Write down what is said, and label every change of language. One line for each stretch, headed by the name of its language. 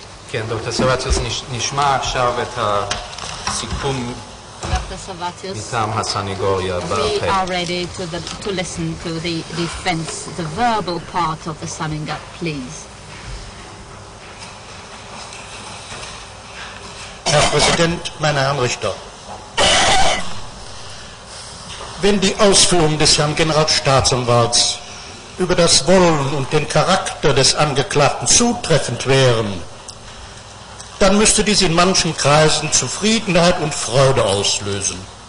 Hebrew: כן, דוקטור סבטיוס, נשמע עכשיו את הסיכום מטעם הסניגוריה בעל פה.
English: We are ready to listen to the defense, the verbal part of the summing up, please.
German: Herr Präsident, meine Herren Richter, wenn die Ausführungen des Herrn Generalstaatsanwalts über das Wollen und den Charakter des Angeklagten zutreffend wären, dann müsste dies in manchen Kreisen Zufriedenheit und Freude auslösen.